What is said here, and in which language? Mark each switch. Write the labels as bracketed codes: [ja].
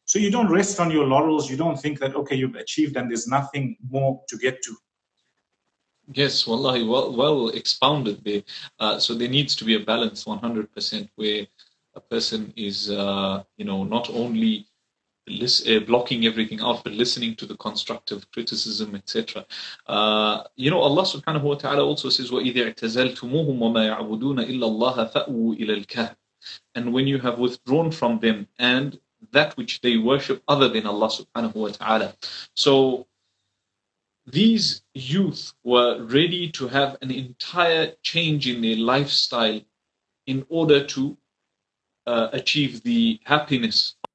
[en] So you don't rest on your laurels. You don't think that, okay, you've achieved and there's nothing more to get to. Yes, wallahi, well expounded there. So there needs to be a balance 100% where a person is, not only blocking everything out, but listening to the constructive criticism, etc. Allah subhanahu wa ta'ala also says, [ar] وَإِذِ اعْتَزَلْتُمُوهُمْ وَمَا يَعْبُدُونَ إِلَّا اللَّهَ فَأْوُوا إِلَى الْكَهْفِ. [en] And when you have withdrawn from them and that which they worship other than Allah subhanahu wa ta'ala. So these youth were ready to have an entire change in their lifestyle in order to achieve the happiness.